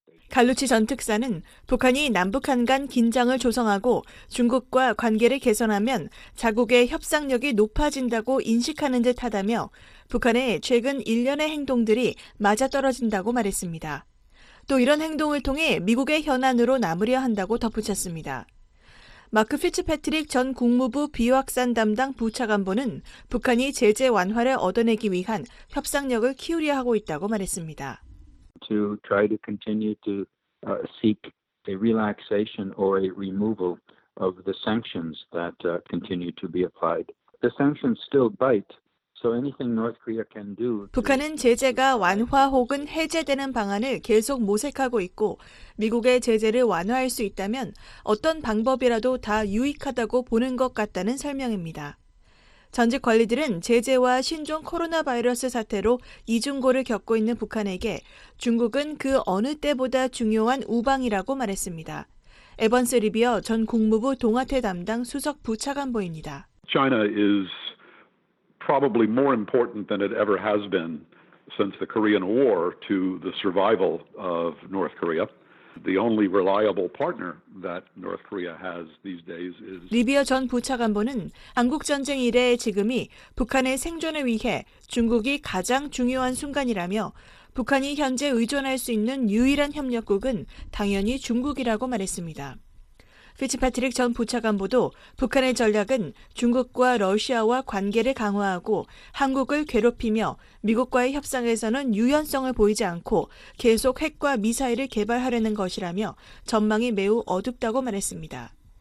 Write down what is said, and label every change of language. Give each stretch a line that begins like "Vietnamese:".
Korean: 갈루치 전 특사는 북한이 남북한 간 긴장을 조성하고 중국과 관계를 개선하면 자국의 협상력이 높아진다고 인식하는 듯하다며 북한의 최근 일련의 행동들이 맞아떨어진다고 말했습니다. 또 이런 행동을 통해 미국의 현안으로 남으려 한다고 덧붙였습니다. 마크 피츠패트릭 전 국무부 비확산 담당 부차관보는 북한이 제재 완화를 얻어내기 위한 협상력을 키우려 하고 있다고 말했습니다.
English: To try to continue to seek a relaxation or a removal of the sanctions that continue to be applied. The sanctions still bite, so anything North Korea can do.
Korean: 북한은 제재가 완화 혹은 해제되는 방안을 계속 모색하고 있고 미국의 제재를 완화할 수 있다면 어떤 방법이라도 다 유익하다고 보는 것 같다는 설명입니다. 전직 관리들은 제재와 신종 코로나 바이러스 사태로 이중고를 겪고 있는 북한에게 중국은 그 어느 때보다 중요한 우방이라고 말했습니다. 에번스 리비어 전 국무부 동아태 담당 수석 부차관 보입니다.
English: China is probably more important than it ever has been since the Korean War to the survival of North Korea. The only reliable partner that North Korea has these days is
Korean: 리비어 전 부차관보는 한국 전쟁 이래 지금이 북한의 생존을 위해 중국이 가장 중요한 순간이라며 북한이 현재 의존할 수 있는 유일한 협력국은 당연히 중국이라고 말했습니다. 피츠패트릭 전 부차관보도 북한의 전략은 중국과 러시아와 관계를 강화하고 한국을 괴롭히며 미국과의 협상에서는 유연성을 보이지 않고 계속 핵과 미사일을 개발하려는 것이라며 전망이 매우 어둡다고 말했습니다.